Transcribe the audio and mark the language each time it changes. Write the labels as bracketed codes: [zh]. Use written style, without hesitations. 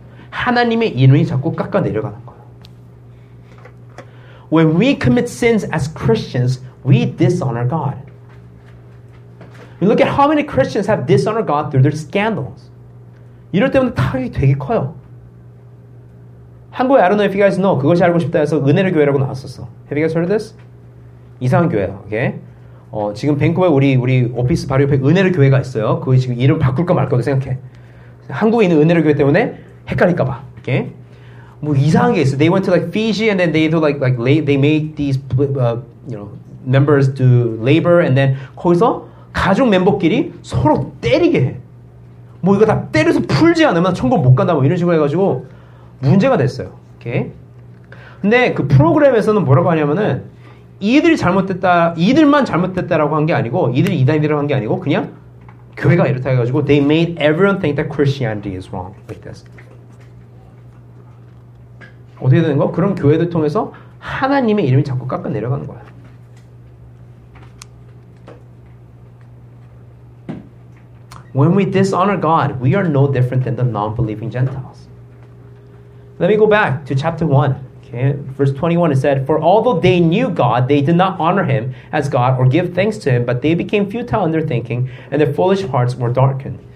[ko] 하나님의 이름이 자꾸 깎아 내려가는 거야. [en] When we commit sins as Christians, we dishonor God. You look at how many Christians have dishonored God through their scandals. [ko] 이럴 때문에 타격이 되게 커요. 한국에 [en] I don't know if you guys know, [ko] 그것이 알고 싶다 해서 은혜를 교회라고 나왔었어. [en] Have you guys heard of this? [ko] 이상한 교회야, [en] okay? [ko] 지금 밴쿠버에 우리 오피스 바로 옆에 은혜를 교회가 있어요. 그 지금 이름 바꿀까 말까도 생각해. 한국에 있는 은혜를 교회 때문에 헷갈릴까봐, okay? 뭐 이상한 게 있어. [en] They went to like Fiji and then they do like they make these members do labor and then [ko] 거기서 가족 멤버끼리 서로 때리게 해. 뭐 이거 다 때려서 풀지 않으면 천국 못 간다 뭐 이런 식으로 해가지고 문제가 됐어요. 오케이. 근데 그 프로그램에서는 뭐라고 하냐면은 이들만 잘못됐다라고 한 게 아니고 이들이 이단이라고 한 게 아니고 그냥 교회가 이렇다 해가지고 [en] they made everyone think that Christianity is wrong like this. [ko] 어떻게 되는 거? 그런 교회들 통해서 하나님의 이름이 자꾸 깎아 내려가는 거야. [en] When we dishonor God, we are no different than the non-believing Gentiles. Let me go back to chapter 1. Okay? Verse 21, it said, For although they knew God, they did not honor Him as God or give thanks to Him, but they became futile in their thinking, and their foolish hearts were darkened.